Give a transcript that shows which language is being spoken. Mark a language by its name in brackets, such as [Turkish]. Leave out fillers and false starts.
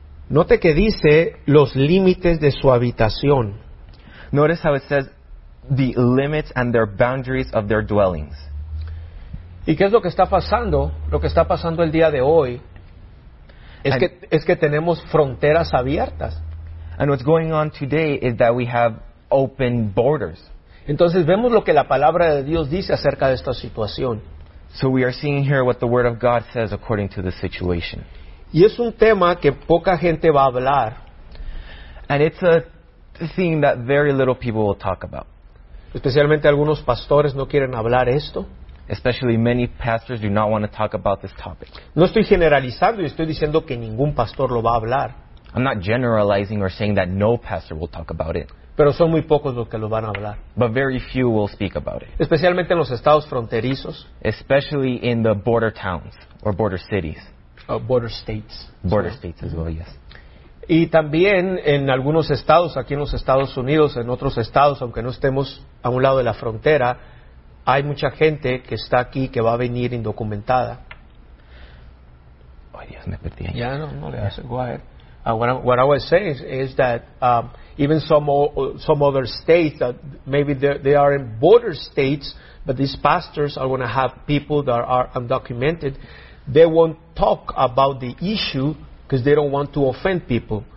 [Spanish] Note que dice los límites de su habitación. [English] Notice how it says the limits and their boundaries of their dwellings. [Spanish] ¿Y qué es lo que está pasando? Lo que está pasando el día de hoy es que tenemos fronteras abiertas. [English] And what's going on today is that we have open borders. [Spanish] Entonces vemos lo que la palabra de Dios dice acerca de esta situación. [English] So we are seeing here what the word of God says according to the situation. [Spanish] Y es un tema que poca gente va a hablar. [English] And it's a thing that very little people will talk about. [Spanish] Especialmente algunos pastores no quieren hablar esto. [English] Especially many pastors do not want to talk about this topic. [Spanish] No estoy generalizando y estoy diciendo que ningún pastor lo va a hablar. [English] I'm not generalizing or saying that no pastor will talk about it. [Spanish] Pero son muy pocos los que lo van a hablar. [English] But very few will speak about it. [Spanish] Especialmente en los estados fronterizos. [English] Especially in the border towns or border cities. Border states. Border states as well, yes. [Spanish] Y también en algunos estados, aquí en los Estados Unidos, en otros estados, aunque no estemos a un lado de la frontera, hay mucha gente que está aquí que va a venir indocumentada. Oh, Ay, Dios, me perdí ahí. Ya, no, no le hace. [English] Go ahead. What I was saying is that even some other states that maybe they are in border states, but these pastors are going to have people that are undocumented. They won't talk about the issue because they don't want to offend people.